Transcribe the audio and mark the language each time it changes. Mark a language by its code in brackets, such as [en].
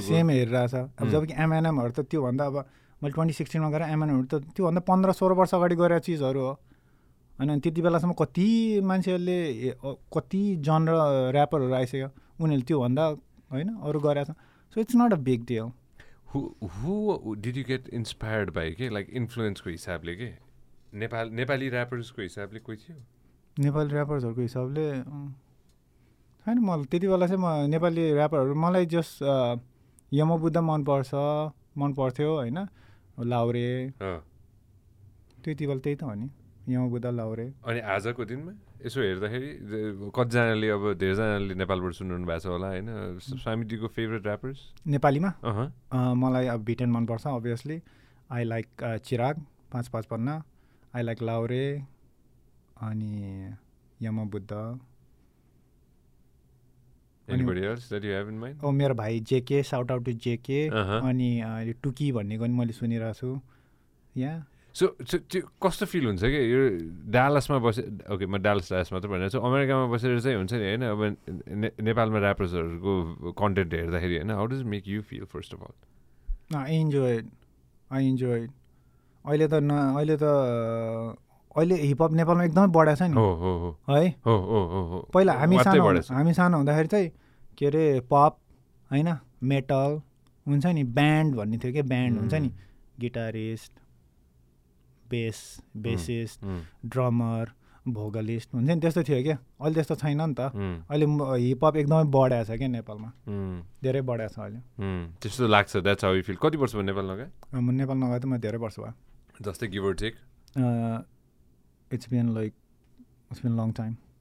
[ne] Same हेरिरहेको छ. अब जब कि एमएनएमहरू त त्योभन्दा, अब मैले 2016 गरेर एमएनएमहरू त त्योभन्दा 15-16 वर्ष अगाडि गरेको चिजहरू हो होइन. अनि त्यति बेलासम्म कति मान्छेहरूले कति जनर ऱ्यापरहरू आइसक्यो उनीहरूले त्योभन्दा होइन अरू गरेको छ. [en] So it's not a big deal. Who did you get inspired by, ke? Like influence [ne] ko hisabale ke? Nepali rappers ko hisabale koi thiyo? Nepali rappers haruko hisabale haina ma teti bela chai ma Nepali rapper haru malai just Yama Buddha man parthyo haina Laure teti bela tei ta ho ni Yama Buddha Laure ani aaja ko din ma यसो हेर्दाखेरि कतिजनाले अब धेरैजनाले नेपालबाट सुनिरहनु भएको छ होला होइन. [en] स्वामी डीको favourite rappers [ne] नेपालीमा मलाई अब भिटेन मनपर्छ obviously. [en] I like Chirag 555, I like Laure, अनि Yama Buddha. Anybody else that you have in mind? [ne] ओ मेरो भाइ जेके, [en] shout out to JK, [ne] अनि यो टुकी भन्ने पनि मैले सुनिरहेको छु. या सो त्यो कस्तो फिल हुन्छ कि यो डालसमा बसे, ओके म डालस मात्रै भनेर छु, अमेरिकामा बसेर चाहिँ हुन्छ नि होइन, अब नेपालमा ऱ्यापर्सहरूको कन्टेन्ट हेर्दाखेरि होइन, [en] How does make you feel first of all? I enjoy it. [ne] अहिले त न अहिले त अहिले हिपहप नेपालमा एकदमै बढेको छ नि. हो हो हो है हो हो हो पहिला हामी सानो हुँदाखेरि चाहिँ के अरे पप होइन मेटल हुन्छ नि, ब्यान्ड भन्ने थियो क्या, ब्यान्ड हुन्छ नि, guitarist base bassist drummer vocalist हुन्छ नि, त्यस्तो थियो क्या. अहिले त्यस्तो छैन नि त, अहिले हिपहप एकदमै बढेको छ क्या नेपालमा, धेरै बढेको छ अहिले. त्यस्तो लाग्छ, [en] That's how you feel. [ne] कति वर्ष भयो नेपाल नगए? म नेपाल नगए त म धेरै वर्ष भयो, [en] जस्तै give or take. It's been like it's been long time.